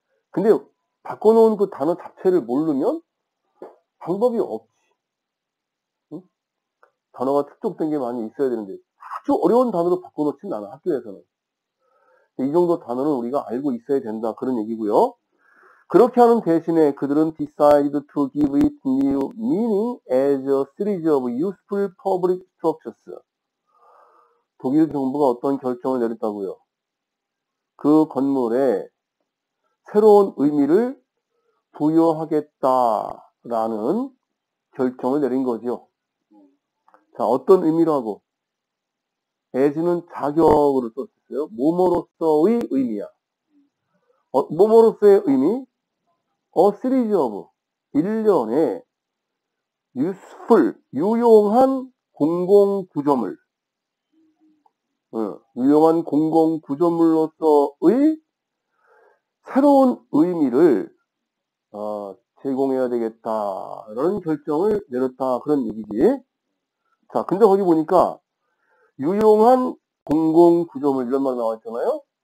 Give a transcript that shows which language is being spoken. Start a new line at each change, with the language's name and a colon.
Korean: 근데 바꿔놓은 그 단어 자체를 모르면 방법이 없지. 응? 단어가 특정된 게 많이 있어야 되는데, 아주 어려운 단어로 바꿔놓진 않아, 학교에서는. 이 정도 단어는 우리가 알고 있어야 된다, 그런 얘기고요. 그렇게 하는 대신에 그들은
English: decide to give it new meaning as a series of useful public structures.
Korean: 독일 정부가 어떤 결정을 내렸다고요? 그 건물에 새로운 의미를 부여하겠다라는 결정을 내린 거죠. 자, 어떤 의미라고? as는 자격으로 썼어요. 뭐뭐로서의 의미야. 뭐뭐로서의 의미?
English: A series of
Korean: 1년에
English: useful,
Korean: 유용한 공공구조물. 유용한 공공구조물로서의 새로운 의미를 제공해야 되겠다라는 결정을 내렸다. 그런 얘기지. 자, 근데 거기 보니까 유용한 공공구조물 이런 말 나왔잖아요.